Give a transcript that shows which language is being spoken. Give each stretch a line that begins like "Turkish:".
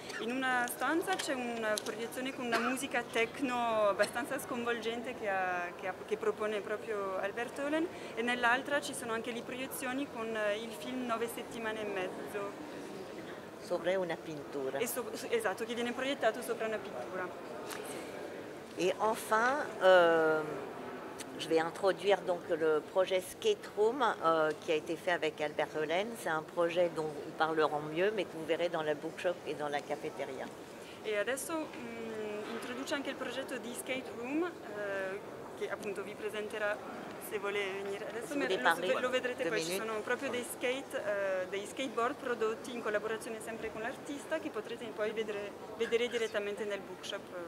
Italian: In una stanza c'è una proiezione con una musica techno abbastanza sconvolgente che propone proprio Albert Hollen, e nell'altra ci sono anche le proiezioni con il film 9 settimane e mezzo. Sopra una pittura. Esatto, che viene proiettato sopra una pittura.
French: E enfin... Je vais introduire donc le projet Skate Room qui a été fait avec Albert Hollen. C'est un projet dont ils parleront mieux, mais que vous verrez dans la bookshop et dans la cafétéria.
Italian: Et adesso introduce anche il progetto di Skate Room che appunto vi presenterà se vuole venire. Adesso lo vedrete qua, ci sono proprio dei skateboard prodotti in collaborazione sempre con l'artista, che potrete poi vedere direttamente nel bookshop.